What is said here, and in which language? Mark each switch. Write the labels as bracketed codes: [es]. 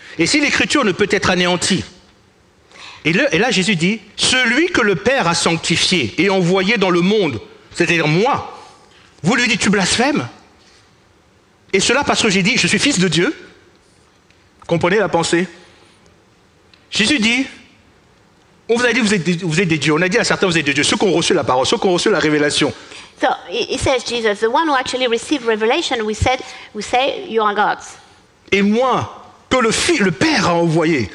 [fr] Et si l'Écriture ne peut être anéantie. Et là, Jésus dit, celui que le Père a sanctifié et envoyé dans le monde, c'est-à-dire moi, vous lui dites, tu blasphèmes? Et cela parce que j'ai dit, je suis fils de Dieu. Comprenez la pensée? Jésus dit, on vous a dit, vous êtes des dieux. On a dit à certains, vous êtes des dieux. Ceux qui ont reçu la parole, ceux qui ont reçu la révélation. [en] So he says, Jesus, the one who actually received revelation, we say, you are gods. [fr] Et moi, que le Père a envoyé.